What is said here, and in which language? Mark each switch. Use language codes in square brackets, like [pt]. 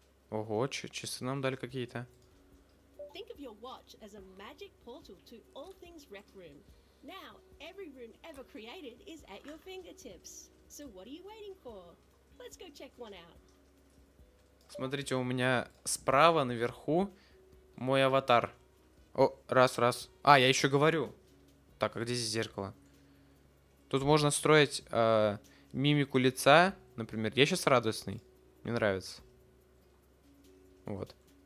[ru] Ого, часы нам дали какие-то. [en] Think of your watch as a magic portal to all things rec room. Now, every room ever created is at your fingertips. So what are you waiting for? Let's go check one out. [ru] Смотрите, у меня справа наверху мой аватар. О, раз, раз. А, я еще говорю. Так, а где здесь зеркало? Тут можно строить мимику лица. Например, я сейчас радостный. Мне нравится. Вот.